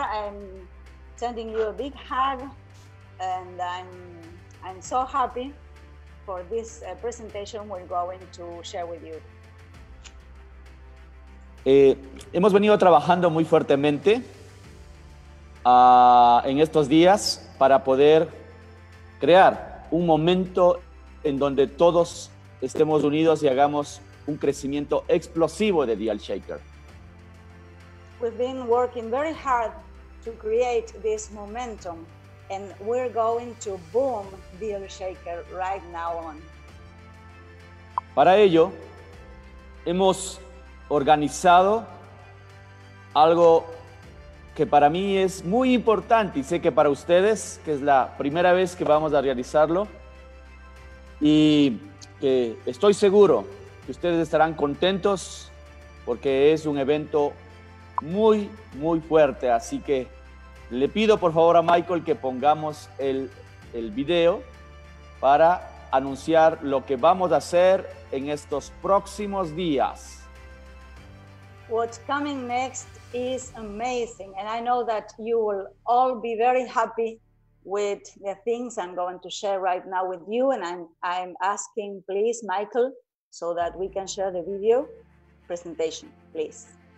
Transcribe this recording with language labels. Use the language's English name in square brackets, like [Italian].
[English] I'm sending you a big hug, and I'm so happy for this presentation we're going to share with you. [Spanish] Hemos venido trabajando muy fuertemente en estos días para poder crear un momento en donde todos estemos unidos y hagamos un crecimiento explosivo de Dial Shaker. [English] We've been working very hard to create this momentum, and we're going to boom Dial Shaker right now on. [Spanish] Para ello, hemos organizado algo que para mí es muy importante, y sé que para ustedes, que es la primera vez que vamos a realizarlo, y que estoy seguro que ustedes estarán contentos porque es un evento muy, muy fuerte. Así que le pido por favor a Michael que pongamos el video para anunciar lo que vamos a hacer en estos próximos días. [English] What's coming next is amazing, and I know that you will all be very happy with the things I'm going to share right now with you, and I'm asking, please, Michael, so that we can share the video presentation, please.